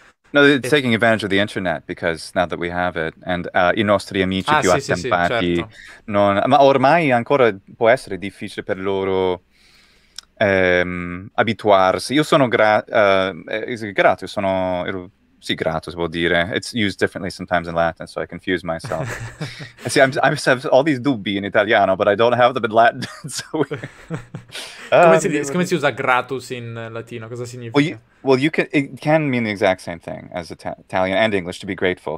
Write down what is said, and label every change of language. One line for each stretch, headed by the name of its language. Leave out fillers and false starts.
English: No, it's taking advantage of the internet, because now that we have it, and
Italian: i nostri amici più attempati... Sì, certo. Non, ma ormai ancora può essere difficile per loro abituarsi. Io sono grato, ero Si gratis vuol dire.
English: It's used differently sometimes in Latin, so I confuse myself. See, I have all these dubbi in Italiano, but I don't have them in Latin. So
Italian: come si usa gratis in Latino? Cosa significa?
English: It can mean the exact same thing as Italian and English, to be grateful.